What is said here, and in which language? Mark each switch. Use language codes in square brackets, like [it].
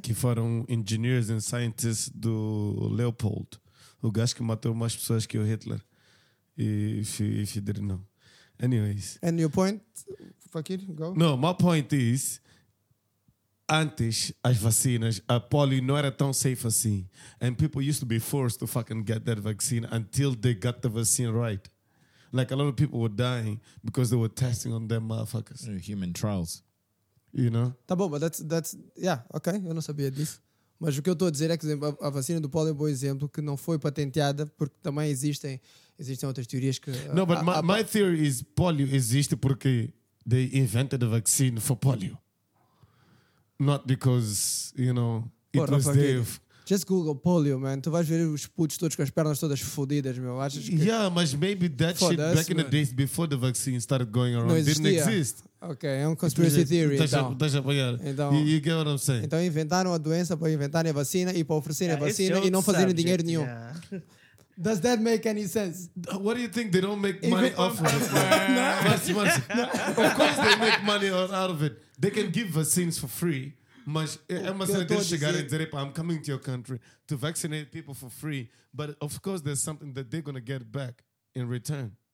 [pt] Que foram [en] engineers and scientists [pt] do Leopold, o gajo que matou mais pessoas que o Hitler. [en] If you didn't know. Anyways. And your point, Fakir, go. No, my point is, [pt] antes as vacinas, a polio não era tão safe assim. [en] And people used to be forced to fucking get that vaccine until they got the vaccine right. Like a lot of people were dying because they were testing on them motherfuckers. Human trials. You know? [pt] Tá bom, mas that's yeah, ok, eu não sabia disso. Mas o que eu estou a dizer é que a vacina do pólio é um bom exemplo que não foi patenteada porque também existem outras teorias que... [en] No, but my theory is [pt] pólio existe porque [en] they invented a vaccine for pólio. Not because, you know, Just Google pólio, man. [pt] Tu vais ver os putos todos com as pernas todas fodidas, meu. Achas que... [en] Yeah, mas maybe that shit back in the days before the vaccine started going around didn't exist. [pt] Ok, é um conspiracy theory. Deixa apanhar. [en] You get what I'm saying? [pt] Então inventaram a doença para inventarem a vacina e para oferecerem a vacina e não fazerem dinheiro nenhum. [en] Yeah. Does that make any sense? What do you think they don't make money off of it? Of course they make money out of it. They can give vaccines for free. [pt] Mas é uma cena de chegar e dizer, [en] I'm coming to your country to vaccinate people for free. But of course there's something that they're going to get back in return.